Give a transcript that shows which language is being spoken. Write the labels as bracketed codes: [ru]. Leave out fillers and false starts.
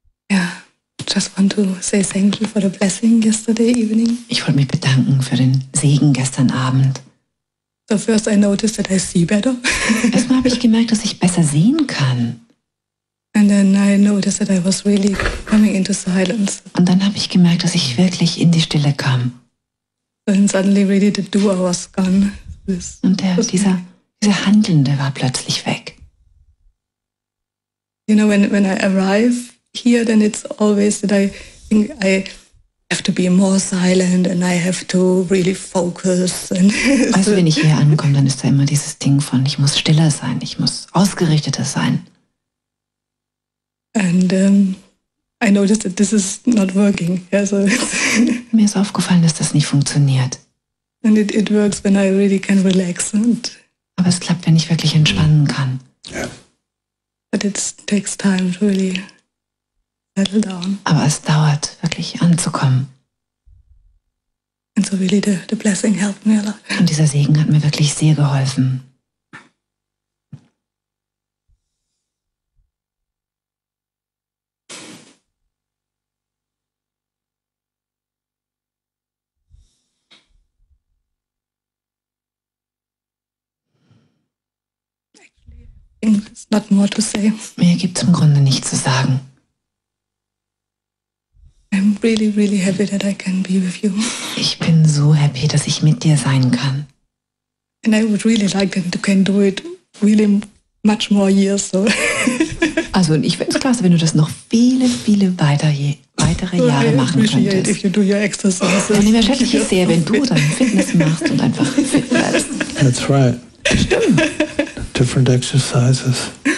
[en] Yeah, just want to say thank you for the blessing yesterday evening. [de] Ich wollte mich bedanken für den Segen gestern Abend. [en] So first I noticed that I see better. [de] Erstmal habe ich gemerkt, dass ich besser sehen kann. [en] And then I noticed that I was really coming into silence. [de] Und dann habe ich gemerkt, dass ich wirklich in die Stille kam. [en] And suddenly really the doer was gone. This [de] und der, was dieser Handelnde war plötzlich weg. [en] You know, when I arrive here, then it's always that I think I have to be more silent and I have to really focus. And [de] also wenn ich hier ankomme, dann ist da immer dieses Ding von, ich muss stiller sein, ich muss ausgerichteter sein. [en] And I noticed that this is not working. Yeah, so [de] mir ist aufgefallen, dass das nicht funktioniert. [en] And it works when I really can relax. And [de] aber es klappt, wenn ich wirklich entspannen kann. [en] Yeah. But it takes time to really settle down. [de] Aber es dauert, wirklich anzukommen. [en] And so really the blessing helped me a lot. [de] Und dieser Segen hat mir wirklich sehr geholfen. [en] It's not more to say. [de] Mehr gibt's im Grunde nicht zu sagen. [en] I'm really, really happy that I can be with you. [de] Ich bin so happy, dass ich mit dir sein kann. [en] And I would really like that you can do it really much more years. So. [de] Also ich finde es klasse, wenn du das noch viele, viele weitere Jahre machen könntest. [en] If you do your exercises. [de] Dann wäre ich sehr, wenn du dein Fitness machst und einfach fit bleibst. [en] That's right. [de] Stimmt. [en] Different exercises.